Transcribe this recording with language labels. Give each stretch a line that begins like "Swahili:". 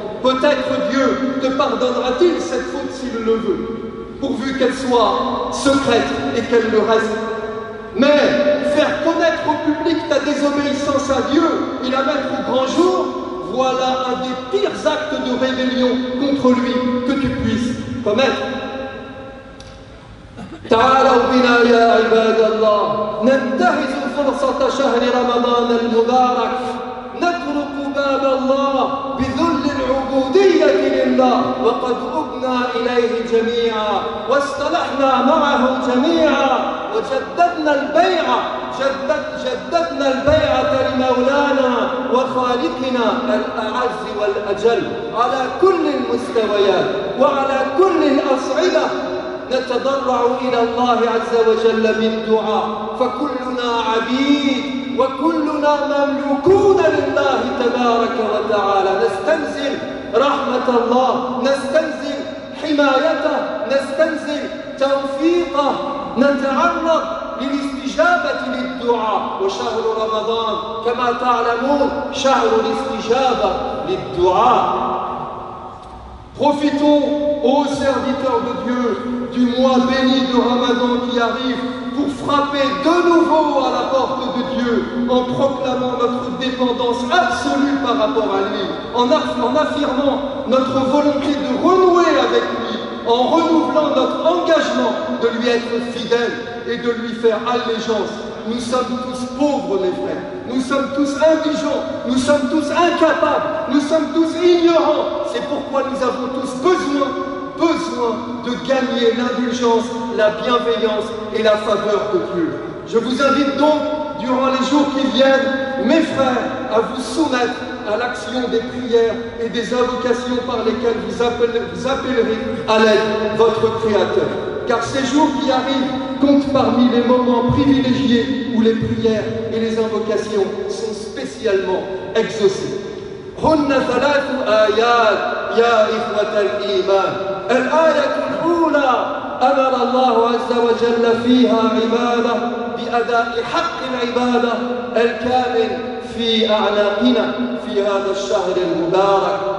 French: Peut-être Dieu te pardonnera-t-il cette faute s'il le veut, pourvu qu'elle soit secrète et qu'elle le reste. Mais faire connaître au public ta désobéissance à Dieu et la mettre au grand jour, voilà un des pires actes de rébellion contre lui que tu puisses commettre.
Arabic: تعالوا بنا يا عباد الله ننتهز فرصة شهر رمضان المبارك نترك باب الله بذل العبودية لله وقد أبنا إليه جميعا واصطلحنا معه جميعا وجددنا البيعة جددنا البيعة لمولانا وخالقنا الأعز والأجل على كل المستويات وعلى كل الأصعدة نتضرع إلى الله عز وجل بالدعاء فكلنا عبيد وكلنا مملوكون لله تبارك وتعالى نستنزل رحمة الله نستنزل حمايته نستنزل توفيقه نتعرض للاستجابة للدعاء وشهر رمضان كما تعلمون شهر الاستجابة للدعاء.
French: Profitons, ô serviteurs de Dieu, du mois béni de Ramadan qui arrive pour frapper de nouveau à la porte de Dieu en proclamant notre dépendance absolue par rapport à lui, en affirmant notre volonté de renouer avec lui, en renouvelant notre engagement de lui être fidèle et de lui faire allégeance. Nous sommes tous pauvres, mes frères. Nous sommes tous indigents, nous sommes tous incapables, nous sommes tous ignorants. C'est pourquoi nous avons tous besoin de gagner l'indulgence, la bienveillance et la faveur de Dieu. Je vous invite donc, durant les jours qui viennent, mes frères, à vous soumettre à l'action des prières et des invocations par lesquelles vous appellerez à l'aide votre Créateur. Car ces jours qui arrivent comptent parmi les moments privilégiés où les prières et les invocations sont spécialement exaucées.
Arabic: هن ثلاث آيات يا إخوة الإيمان. الآية الأولى أمر الله عز وجل فيها عباده بأداء حق العبادة الكامل في أعناقنا في هذا الشهر المبارك.